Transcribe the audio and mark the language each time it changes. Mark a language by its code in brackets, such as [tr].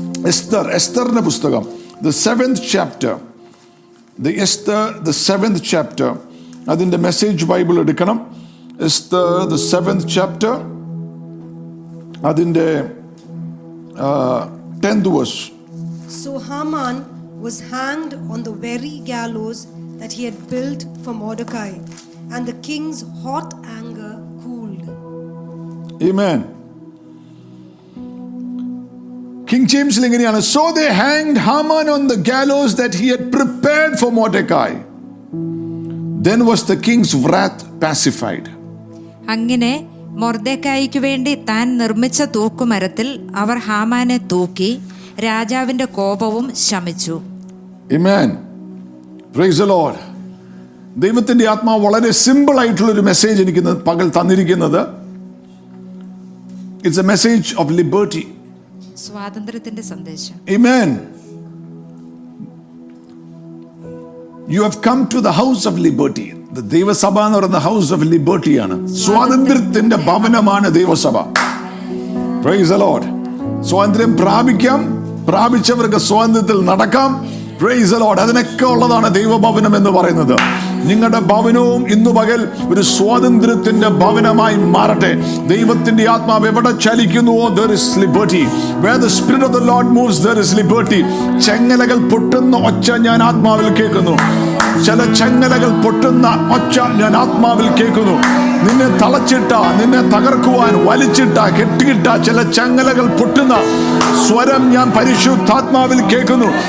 [ml] എസ്തറിൻ്റെ പുസ്തകം, [en] the seventh chapter, [ml] അതിൻ്റെ message Bible എടുക്കണം. [en] Esther the seventh chapter, അതിൻ്റെ 10th verse. So Haman was hanged on the very gallows that he had built for Mordecai, and the king's hot anger cooled. Amen. King James Lingeniana, so they hanged Haman on the gallows that he had prepared for Mordecai. Then was the king's wrath pacified. [ml] Angine Mordecai-ku vendi than nirmicha thooku marathil avar Hamane thooki രാജാവിന്റെ കോപവും ശമിച്ചു. [en] Amen. Praise the Lord. [ml] ദൈവത്തിന്റെ ആത്മാവ് വളരെ simple ആയിട്ടുള്ള ഒരു message എനിക്ക് പകൽ തന്നിരിക്കുന്നത്. [en] It's a message of liberty. [ml] സ്വാതന്ത്ര്യത്തിന്റെ സന്ദേശം. ആമേൻ. [en] You have come to the house of liberty. [ml] The ദൈവസഭ എന്ന് പറയുന്ന [en] house of liberty [ml] ആണ്. സ്വാതന്ത്ര്യത്തിന്റെ ഭവനമാണ് ദൈവസഭ. [en] Praise the Lord. [ml] സ്വാതന്ത്ര്യം പ്രാപിക്കാം, പ്രാപിച്ചവർക്ക് സ്വാതന്ത്ര്യത്തിൽ നടക്കാം. [en] Praise the Lord. [ml] അതിനൊക്കെ ഉള്ളതാണ് ദൈവഭവനം എന്ന് പറയുന്നത്. നിങ്ങളുടെ ഭവനവും ഇന്ന് പകൽ ഒരു സ്വാതന്ത്ര്യത്തിന്റെ ഭവനമായി മാറട്ടെ. ദൈവത്തിന്റെ ആത്മാവ് എവിടെ ചലിക്കുന്നുവോ, [en] there is liberty. Where the spirit of the Lord moves, there is liberty. [ml] ചങ്ങലകൾ പൊട്ടുന്ന ഒച്ച ഞാൻ ആത്മാവിൽ കേൾക്കുന്നു. ചില ചങ്ങലകൾ പൊട്ടുന്ന ഒച്ച ഞാൻ ആത്മാവിൽ കേൾക്കുന്നു. നിന്നെ തളച്ചിട്ട, നിന്നെ തകർക്കുവാൻ വലിച്ചിട്ട, കെട്ടിയിട്ട ചില ചങ്ങലകൾ പൊട്ടുന്ന സ്വരം ഞാൻ പരിശുദ്ധാത്മാവിൽ കേൾക്കുന്നു.